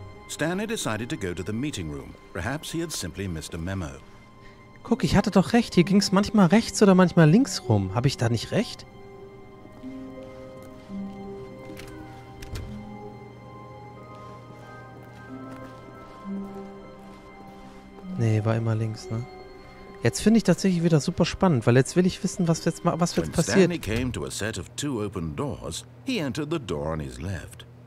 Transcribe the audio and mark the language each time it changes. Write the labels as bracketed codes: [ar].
[en] Stanley decided to go to the meeting room. Perhaps he had simply missed a memo. [de] Guck, ich hatte doch recht. Hier ging es manchmal rechts oder manchmal links rum. Habe ich da nicht recht? Nee, war immer links, ne? Jetzt finde ich tatsächlich wieder super spannend, weil jetzt will ich wissen, was jetzt mal, was jetzt passiert. [en] When Stanley came to a set of two open doors, he entered the door on his left.